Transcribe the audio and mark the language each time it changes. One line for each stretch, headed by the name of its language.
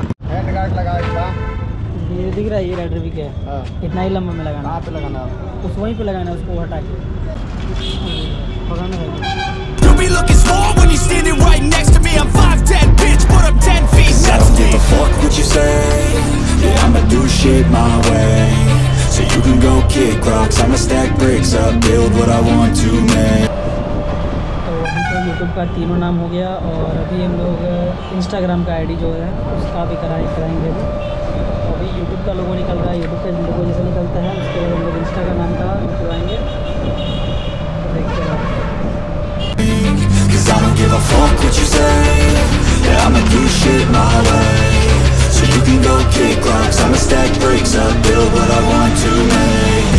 Hindi: ये दिख रहा है, ये राइडर भी क्या है? हाँ। इतना ही लंबा में लगाना? हाँ पे लगाना। उस वहीं पे लगाना, उसको हटा के।
English: Be looking small when you're standing right next to me. I'm 5'10", bitch, but I'm 10 feet next to me. I don't give a fuck what you say. Yeah, I'ma do shit my way. So you can go kick rocks, I'ma stack bricks up, build what I want to make.
Hindi: So, हम लोग YouTube का तीनों नाम हो गया, और अभी हम लोग Instagram का ID जो है उसका भी कराएंगे। अभी YouTube का लोगो निकल रहा है, YouTube का लोगो जैसे निकलता है, उसके बाद हम लोग Instagram नाम का करवाएंगे।
English: I don't give a fuck what you say. Yeah, I'ma do shit my way. So you can go kick rocks, I'ma stack bricks up, build what I want to make.